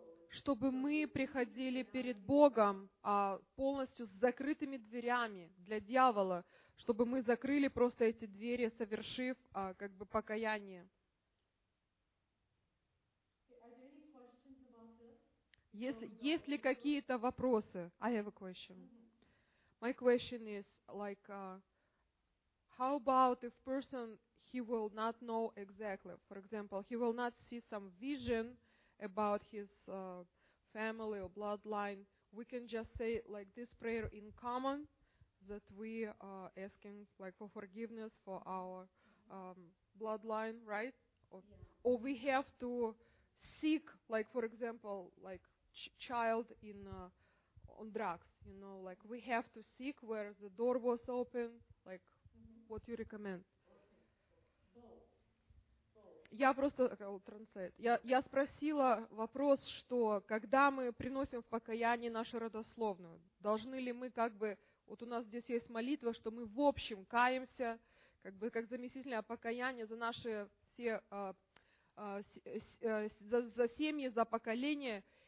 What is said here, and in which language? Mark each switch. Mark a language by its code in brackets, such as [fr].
[ru] Чтобы мы приходили перед Богом полностью с закрытыми дверями для дьявола, чтобы мы закрыли просто эти двери, совершив как бы покаяние. Есть ли какие-то вопросы? [en] I have a question. My question is like, how about if person he will not know exactly, for example, he will not see some vision about his family or bloodline, we can just say like this prayer in common that we are asking like for forgiveness for our bloodline, right? Or we have to seek, like for example, like child in on drugs, you know, like we have to seek where the door was open, like what you recommend? [ru] Я просто я спросила вопрос, что когда мы приносим в покаяние нашу родословную, должны ли мы как бы, вот у нас здесь есть молитва, что мы в общем каемся, как бы как заместительное покаяние за наши все, за семьи, за поколения,